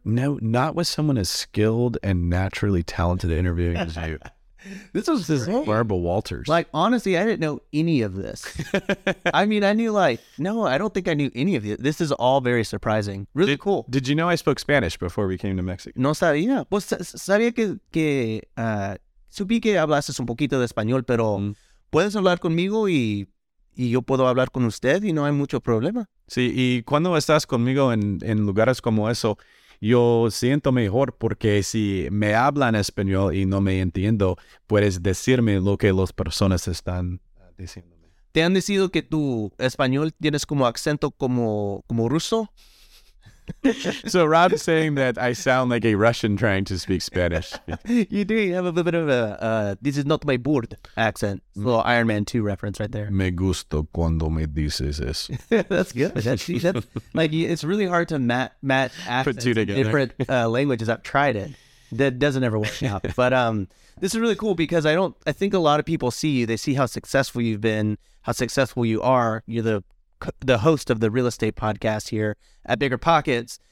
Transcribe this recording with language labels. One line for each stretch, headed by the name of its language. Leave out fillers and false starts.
English: No, not with someone as skilled and naturally talented interviewing as you. This is Barbara Walters. Like, honestly, I didn't know any of this. I mean, I knew like, no, I don't think I knew any of this. This is all very surprising. Really cool. Did you know I spoke Spanish before we came to Mexico?
Spanish: No sabía. Pues sabía que supí que hablaste un poquito de español, pero puedes hablar conmigo y yo puedo hablar con usted y no hay mucho problema. Sí, y cuando estás conmigo en lugares como eso, yo siento mejor porque si me hablan español y no me entiendo, puedes decirme lo que las personas están diciéndome. ¿Te han dicho que tu español tienes como acento como ruso?
English: So Rob is saying that I sound like a Russian trying to speak Spanish. You do. You have a bit of a this is not my board accent. A little Iron Man 2 reference right there.
Spanish: Me gusto cuando me dices eso.
English: That's good. That's, like, it's really hard to match accents. Put two together. Different languages. I've tried it. That doesn't ever work out. But this is really cool because I think a lot of people see you. They see how successful you've been, how successful you are. You're the host of the real estate podcast here at Bigger Pockets.